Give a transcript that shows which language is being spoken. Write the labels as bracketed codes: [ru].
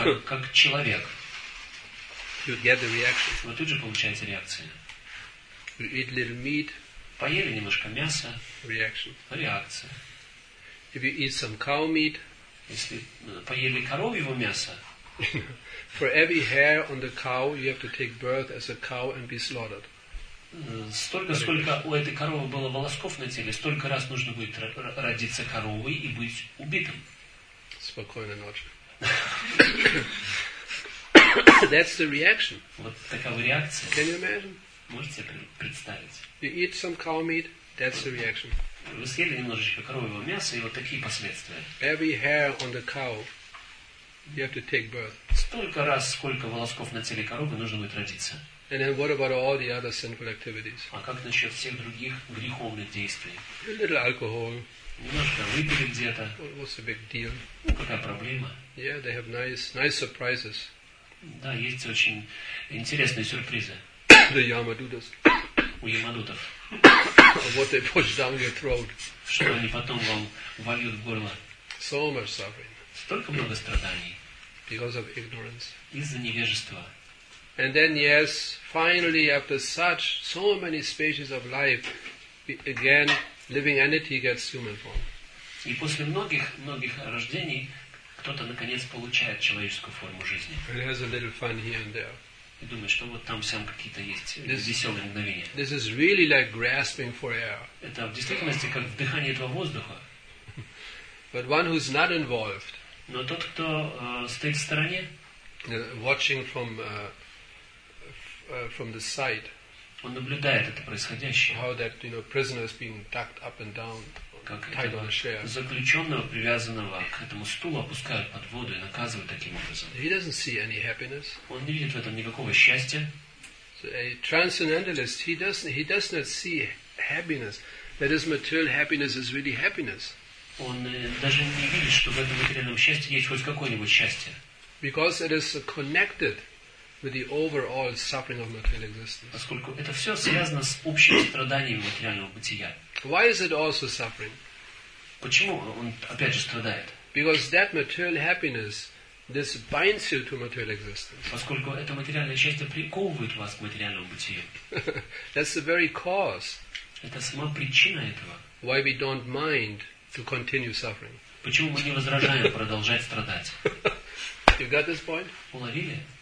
[ru] Как человек. [en] You get the reaction. [ru] Вы тут же получаете реакцию. [en] You eat little meat. [ru] Поели немножко мяса. [en] Reaction. [ru] Реакция. [en] If you eat some cow meat. [ru] Если поели коровьего мяса. [en] For every hair on the cow, you have to take birth as a cow and be slaughtered. [ru] Столько, сколько у этой коровы было волосков на теле, столько раз нужно будет родиться коровой и быть убитым. Спокойной ночи. [en] That's the reaction. [ru] Вот такая реакция. [en] Can you imagine? [ru] Можете представить? [en] You eat some cow meat, that's the reaction. [ru] Вы съели немножечко коровьего мяса, и вот такие последствия. [en] Every hair on the cow, you have to take birth. [ru] Столько раз, сколько волосков на теле коровы, нужно будет родиться. [en] And then what about all the other sinful activities? [ru] А как насчет всех других греховных действий? [en] A little alcohol. [ru] Немножко выпили где-то. [en] What's the big deal? [ru] Ну, какая проблема? [en] Yeah, they have nice surprises. [ru] Да, есть очень интересные сюрпризы. [en] The Yamadutas. [ru] У Ямадутов. [en] What they push down your throat. [ru] Что они потом вам вольют в горло? [en] So much suffering. [ru] Столько много страданий. [en] Because of ignorance. [ru] Из-за невежества. [en] And then, yes, finally, after such, so many stages of life, again, living entity gets human form. [ru] И после многих рождений, кто-то, наконец, получает человеческую форму жизни. [en] It has a little fun here and there. [ru] И думаешь, что вот там всем какие-то есть веселые мгновения. [en] This is really like grasping for air. [ru] Это в действительности как вдыхание этого воздуха. [en] But one who's not involved, [ru] но тот, кто стоит в стороне, [en] watching from the side. [ru] Он наблюдает это происходящее. [en] How that, you know, prisoner is being tucked up and down, tied on a chair. [ru] Заключенного, привязанного к этому стулу, опускают под воду и наказывают таким образом. [en] He doesn't see any happiness. [ru] Он не видит в этом никакого счастья. [en] So a transcendentalist, he does not see happiness. That is, material happiness is really happiness. [ru] Он даже не видит, что в этом материальном счастье есть хоть какое-нибудь счастье. [en] Because it is connected with the overall suffering of material existence. [ru] Поскольку это все связано с общим страданием материального бытия. [en] Why is it also suffering? [ru] Почему он опять же страдает? [en] Because that material happiness, this binds you to material existence. [ru] Поскольку это материальное счастье приковывает вас к материальному бытию. [en] That's the very cause. [ru] Это сама причина этого. [en] Why we don't mind to continue suffering. [ru] Почему мы не возражаем продолжать страдать? [en] You got this point? [ru] Уловили?